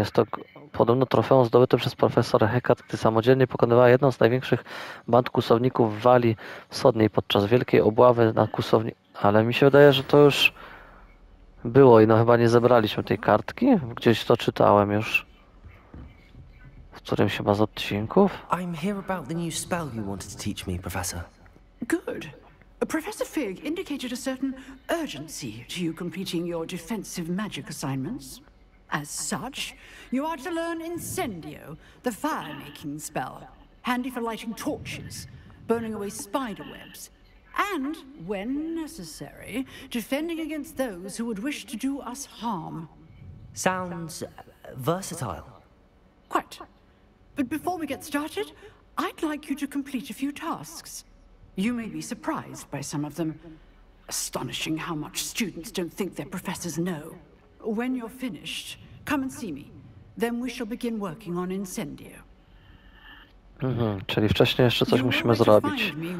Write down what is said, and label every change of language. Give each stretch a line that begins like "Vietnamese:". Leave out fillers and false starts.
Polish: Jest to podobno trofeum zdobyte przez profesora Hekat, gdy samodzielnie pokonywała jedną z największych band kusowników w Walii Wschodniej podczas wielkiej obławy na kusownik. Ale mi się wydaje, że to już było i no chyba nie zebraliśmy tej kartki. Gdzieś to czytałem już. W którymś chyba z odcinków.
English: I'm here about the new spell you wanted to teach me, professor. Good. Professor Fig indicated a certain urgency to you completing your defensive magic assignments. As such, you are to learn Incendio, the fire-making spell, handy for lighting torches, burning away spider webs, and, when necessary, defending against those who would wish to do us harm. Sounds versatile. Quite. But before we get started, I'd like you to complete a few tasks. You may be surprised by some of them. Astonishing how much students don't think their professors know. When you're finished, come and see me. Then we shall begin working on Incendio.
Polish: Czyli wcześniej jeszcze coś musimy zrobić.